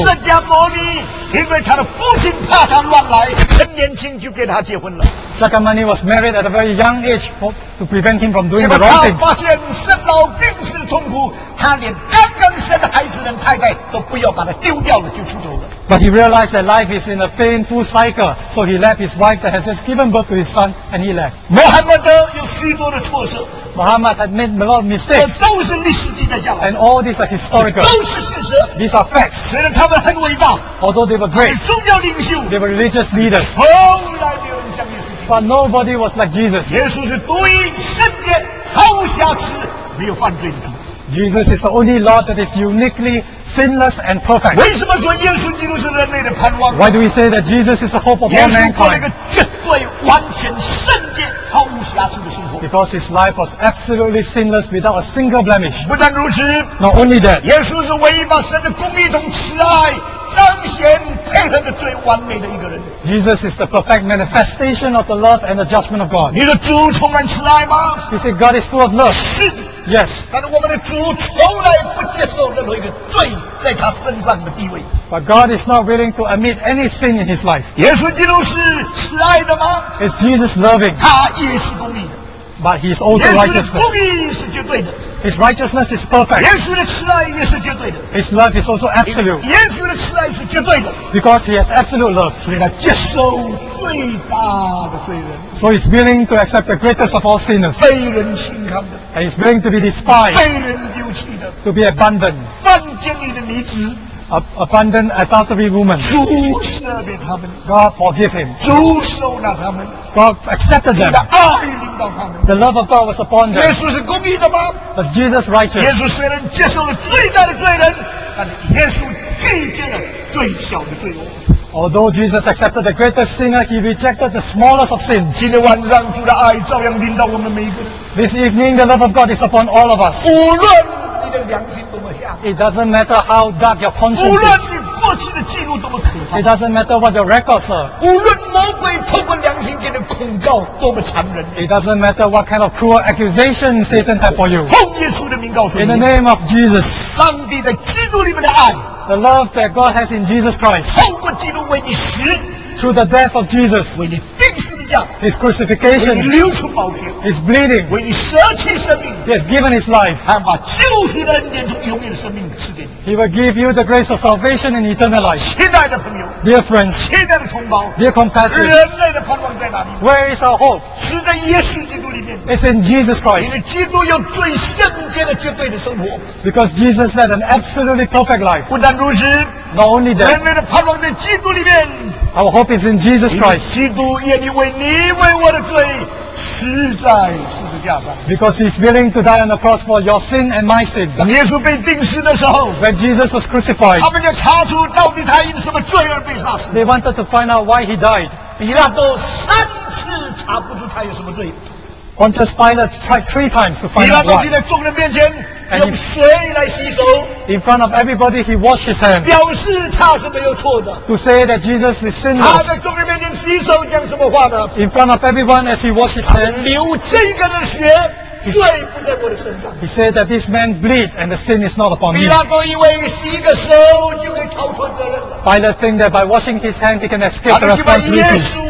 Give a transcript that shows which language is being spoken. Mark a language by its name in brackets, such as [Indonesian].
[Chinese] 释迦牟尼因为他的父亲怕他乱来，很年轻就跟他结婚了。 [English] Shakyamuni was married at a very young age to prevent him from doing the wrong things. [Chinese] 结果他发现生老病死的痛苦，他连刚刚生的孩子的太太都不要，把他丢掉了就出走了。 [English] But he realized that life is in a painful cycle, so he left his wife that has just given birth to his son, and he left. [Chinese] 穆罕默德有许多的挫折。 [English] Muhammad had made a lot of mistakes. [Chinese] 这都是历史记载下来。 [English] And all these are historical. [Chinese] 都是事实。 [English] These are facts. [Chinese] 虽然他们很伟大 [English] ，although they were great. [Chinese] 他们宗教领袖 [English] ，they were religious leaders. [Chinese] 从来没有人像耶稣。 [English] But nobody was like Jesus. [Chinese] 耶稣是独一圣洁、毫无瑕疵、没有犯罪的主。 [English] Jesus is the only Lord that is uniquely sinless and perfect. [Chinese] 为什么说耶稣基督是人类的盼望 [English] ？Why do we say that Jesus is the hope of all mankind? [Chinese] 耶稣过了一个绝对完全圣洁、毫无瑕疵的生活。 [English] Because his life was absolutely sinless without a single blemish. [Chinese] 不但如此 [English] ，Not only that. [Chinese] 耶稣是唯一把神的公义同慈爱彰显配完全的最完美的一个人。 [English] Jesus is the perfect manifestation of the love and the judgment of God. [Chinese] 你的主充满慈爱吗？ [English] He said God is full of love. [Chinese] 是。 [English] Yes. [Chinese] 但是我们的主从来不接受任何一个罪在他身上的地位。 [English] But God is not willing to admit any sin in his life. [Chinese] 耶稣基督是慈爱的吗？ [English] Is Jesus loving? [Chinese] 他也是公义的。 [English] But he is also righteous. [Chinese] 耶稣的公义是绝对的。 [English] His righteousness is perfect. [Chinese] 耶稣的慈爱也是绝对的。 [English] His love is also absolute. [Chinese] 耶稣的慈爱是绝对的。 [English] Because he has absolute love. [Chinese] 所以他接受最大的罪人。 [English] So he's willing to accept the greatest of all sinners. [Chinese] 被人轻看的。 [English] And he's willing to be despised. [Chinese] 被人丢弃的。 [English] To be abandoned. [Chinese] 犯奸淫的女子。 [English] Abandoned adultery woman. [Chinese] 主赦免他们。 [English] God forgive him. [Chinese] 主收纳他们。 [English] God accepted them. [Chinese] 你的爱领导他们。 [English] The love of God was upon them. [Chinese] 耶稣是公义的吗？ [English] Was Jesus righteous? [Chinese] 耶稣虽然接受了最大的罪人，但耶稣拒绝了最小的罪恶。 [English] Although Jesus accepted the greatest sinner, he rejected the smallest of sins. [Chinese] 今天晚上主的爱照样领导我们每一个。 [English] This evening, the love of God is upon all of us. [Chinese] 无论你的良心多么黑暗。 [English] It doesn't matter how dark your conscience is. [Chinese] 无论你过去的记录多么可怕。 [English] It doesn't matter what your records are. [Chinese] 无论魔鬼透过良心给的控告多么残忍。 [English] It doesn't matter what kind of cruel accusation Satan had for you. [Chinese] 奉耶稣的名告诉你。 [English] In the name of Jesus. [Chinese] 上帝在基督里面的爱。 [English] The love that God has in Jesus Christ. [Chinese] 透过基督为你死。 [English] Through the death of Jesus. [Chinese] 为你钉十字架。 [English] His crucifixion. [Chinese] 为你流出宝血。 [English] His bleeding. [Chinese] 为你舍弃生命。 [English] He has given his life. [Chinese] 他把救赎的恩典和永远的生命赐给你。 [English] He will give you the grace of salvation and eternal life. [Chinese] 亲爱的朋友。 [English] Dear friends. [Chinese] 亲爱的同胞。 [English] Dear compatriots. [Chinese] 人类的盼望在哪里？ [English] Where is our hope? [Chinese] 是在耶稣基督里面。 [English] It's in Jesus Christ. [Chinese] 因为基督有最圣洁的绝对的生活。 [English] Because Jesus led an absolutely perfect life. [Chinese] 不但如此。 [English] Not only that. [Chinese] 人类的盼望在基督里面。 [English] Our hope is in Jesus Christ. [Chinese] 基督愿意为你为我的罪死在十字架上。 [English] Because he's willing to die on the cross for your sin and my sin. [Chinese] 当耶稣被钉死的时候。 [English] When Jesus was crucified. [Chinese] 他们要查出到底他因什么罪而被杀死。 [English] They wanted to find out why he died. [Chinese] 比拉多三次查不出他有什么罪。 [English] Pontius Pilate tried three times to find out why. [Chinese] 比拉多在众人面前用水来洗手。 [English] In front of everybody, he washed his hands. [Chinese] 表示他是没有错的。 [English] To say that Jesus is sinless. [Chinese] 他在众人面前洗手讲什么话呢？ [English] In front of everyone, as he washed his hands. [Chinese] 流这个人的血，罪不在我的身上。 [English] He said that this man bleed and the sin is not upon him. [Chinese] 比拉多以为洗个手就可以逃脱责任了。 [English] Pilate think that by washing his hands, he can escape the responsibility.